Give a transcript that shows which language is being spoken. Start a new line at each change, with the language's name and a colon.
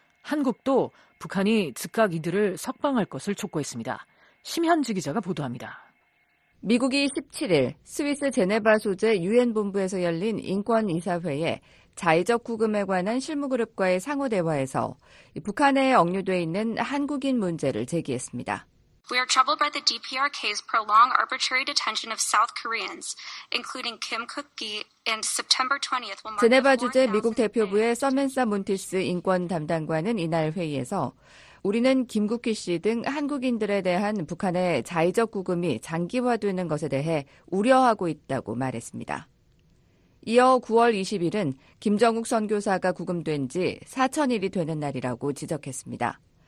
Korean: 한국도 북한이 즉각 이들을 석방할 것을 촉구했습니다. 심현지 기자가 보도합니다. 미국이 17일 스위스 제네바 소재 유엔 본부에서 열린 인권이사회에 자의적 구금에 관한 실무그룹과의 상호 대화에서 북한에 억류돼 있는 한국인 문제를 제기했습니다.
English: We are troubled by the DPRK's prolonged arbitrary detention of South Koreans, including Kim Cook-gi, and September 20th.
Korean: 제네바 주재 미국 대표부의 서멘사 몬티스 인권 담당관은 이날 회의에서 우리는 김국희 씨 등 한국인들에 대한 북한의 자의적 구금이 장기화되는 것에 대해 우려하고 있다고 말했습니다. 이어 9월 20일은 김정욱 선교사가 구금된 지 4,000일이 되는 날이라고 지적했습니다.